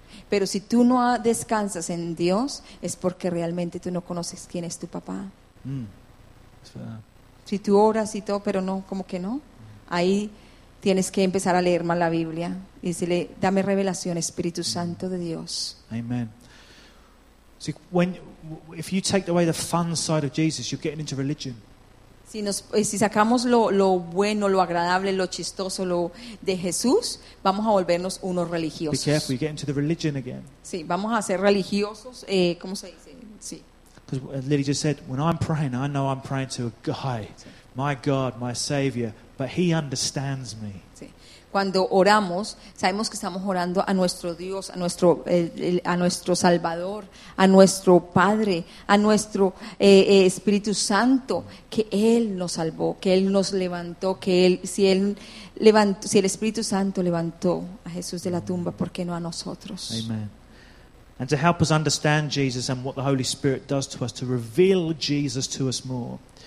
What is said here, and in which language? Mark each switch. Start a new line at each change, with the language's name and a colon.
Spanish: Pero si tú no descansas en Dios, es porque realmente tú no conoces quién es tu papá. Si tú oras y todo, pero no, como que no. Ahí tienes que empezar a leer más la Biblia. Y decirle, dame revelación, Espíritu Santo de Dios. Amen.
English: See, when, if you take away the fun side of Jesus, you're getting into religion.
Spanish: Si sacamos lo bueno, lo agradable, lo chistoso, lo de Jesús, vamos a volvernos unos religiosos.
English: Be careful, you get into the religion again.
Spanish: Sí, vamos a ser religiosos, ¿cómo se dice? Sí.
English: Because Lily just said, when I'm praying, I know I'm praying to a guy, my God, my Savior, But he understands me.
Spanish: Sí. Cuando oramos, sabemos que estamos orando a nuestro Dios, a nuestro Salvador, a nuestro Padre, a nuestro Espíritu Santo, que Él nos salvó, que Él nos levantó, que Él, si Él levantó, si el Espíritu Santo levantó a Jesús de la tumba, ¿por qué no a nosotros? Amen.
English: And to help us understand Jesus and what the Holy Spirit does to us, to reveal Jesus to us more.